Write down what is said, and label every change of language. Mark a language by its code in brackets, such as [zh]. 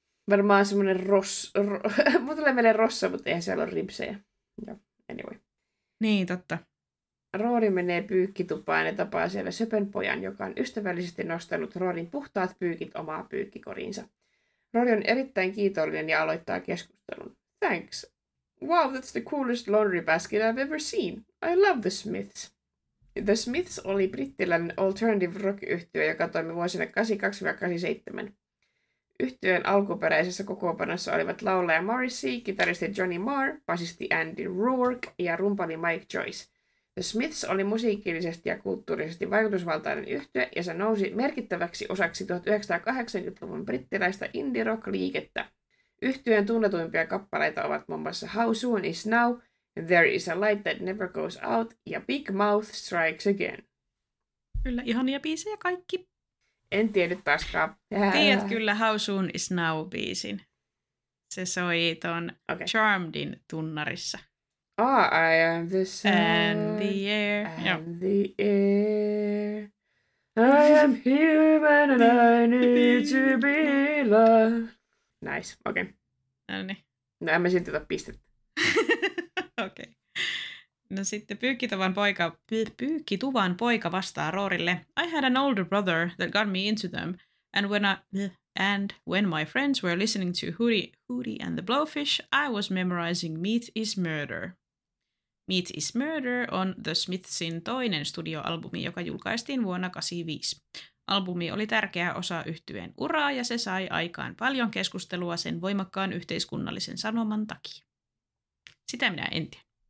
[fi] Varmaan semmoinen mun tulee meille rossa, mutta eihän siellä ole ripsejä. [en] Joo, anyway. [fi] Niin, totta. Rory menee pyykkitupaan ja tapaa siellä söpön pojan, joka on ystävällisesti nostanut Roryn puhtaat pyykit omaa pyykkikoriinsa. Rory on erittäin kiitollinen ja aloittaa keskustelun. [en] Thanks. Wow, that's the coolest laundry basket I've ever seen. I love the Smiths. [fi] The Smiths oli brittiläinen alternative rock-yhtyö, joka toimi vuosina 82-87. Yhtyeen alkuperäisessä kokoonpanossa olivat laulaja Morrissey, kitaristi Johnny Marr, basisti Andy Rourke ja rumpali Mike Joyce. The Smiths oli musiikillisesti ja kulttuurisesti vaikutusvaltainen yhtye, ja se nousi merkittäväksi osaksi 1980-luvun brittiläistä indie-rock-liikettä. Yhtyeen tunnetuimpia kappaleita ovat muun muassa How Soon Is Now, There Is a Light That Never Goes Out ja Big Mouth Strikes Again. Kyllä, ihania biisejä kaikki. En tiedä taaskaan. Tiedät kyllä How Soon Is Now-biisin. Se soi tuon Charmedin tunnarissa. [en] Ah, oh, I am the sun. And the air. And the air. I am human and I need to be loved. Nice, [fi] okei. Okay. Noniin. No en mä silti tuota pistettä. Okei. No sitten pyykkituvan poika vastaa Rorylle. [en] I had an older brother that got me into them, and when my friends were listening to Hootie and the Blowfish, I was memorizing Meat is Murder. [fi] Meat is Murder on The Smithsin toinen studioalbumi, joka julkaistiin vuonna 85. Albumi oli tärkeä osa yhtyeen uraa, ja se sai aikaan paljon keskustelua sen voimakkaan yhteiskunnallisen sanoman takia. Sitä minä en tiedä.